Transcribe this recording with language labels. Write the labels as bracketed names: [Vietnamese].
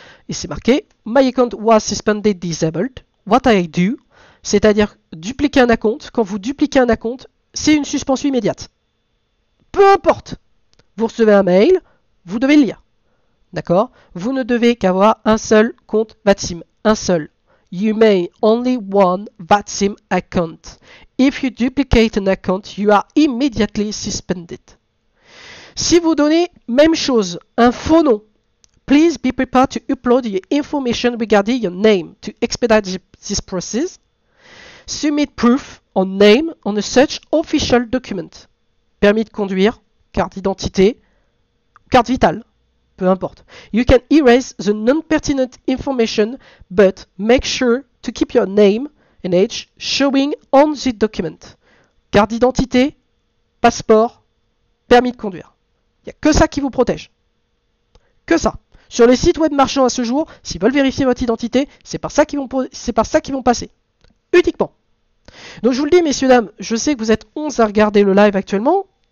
[French] Et c'est marqué, [English] My account was suspended disabled. What I do? [French] C'est-à-dire dupliquer un account. Quand vous dupliquez un account, c'est une suspension immédiate. Peu importe. Vous recevez un mail, vous devez le lire. D'accord? Vous ne devez qu'avoir un seul compte Vatsim. Un seul. [English] You may only one Vatsim account. If you duplicate an account, you are immediately suspended. [French] Si vous donnez même chose, un faux nom, [English] please be prepared to upload your information regarding your name to expedite this process. Submit proof on name on a such official document. [French] Permis de conduire, carte d'identité, carte vitale. Peu importe. [English] You can erase the non-pertinent information, but make sure to keep your name and age showing on the document. [French] Carte d'identité, passeport, permis de conduire. Il n'y a que ça qui vous protège. Que ça. Sur les sites web marchands à ce jour, s'ils veulent vérifier votre identité, c'est par ça qu'ils vont passer. Uniquement. Donc je vous le dis, messieurs, dames, je sais que vous êtes 11 à regarder le live actuellement.